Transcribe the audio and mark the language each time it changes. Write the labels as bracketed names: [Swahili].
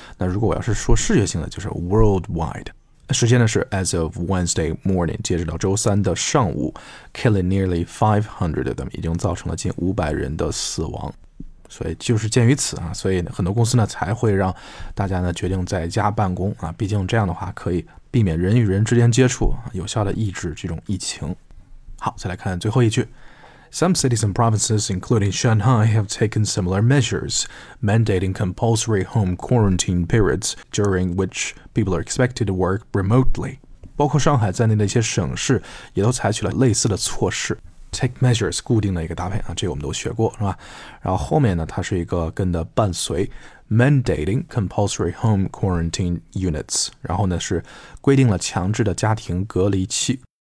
[Chinese] 那如果我要是说世界性的，就是 worldwide。时间呢是 [English] as of Wednesday morning， [Chinese] 截止到周三的上午 ， [English] killing nearly 500 of them， [Chinese] 已经造成了近500人的死亡。所以就是鉴于此啊，所以很多公司呢才会让大家呢决定在家办公啊，毕竟这样的话可以避免人与人之间接触，有效的抑制这种疫情。好，再来看最后一句 [English] ，Some cities and provinces, including Shanghai, have taken similar measures, mandating compulsory home quarantine periods during which people are expected to work remotely。 [Chinese] 包括上海在内的一些省市也都采取了类似的措施。 [English] Take measures [Chinese] 固定的一个搭配啊，这个我们都学过是吧？然后后面呢，它是一个跟的伴随 ， [English] mandating compulsory home quarantine units， [Chinese] 然后呢是规定了强制的家庭隔离期。